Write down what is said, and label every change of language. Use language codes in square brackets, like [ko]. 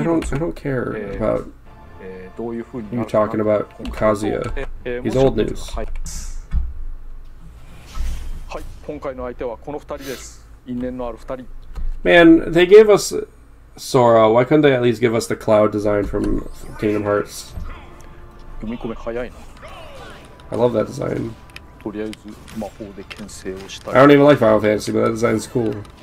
[en] I don't care about you talking about Kazuya. He's old news. Man, they gave us Sora. Why couldn't they at least give us the cloud design from Kingdom Hearts? [ja] 読み込め早いな。 [en] I love that design. [ja] とりあえず魔法で牽制をしたい。 [en] I don't even like Final Fantasy, but that design is cool.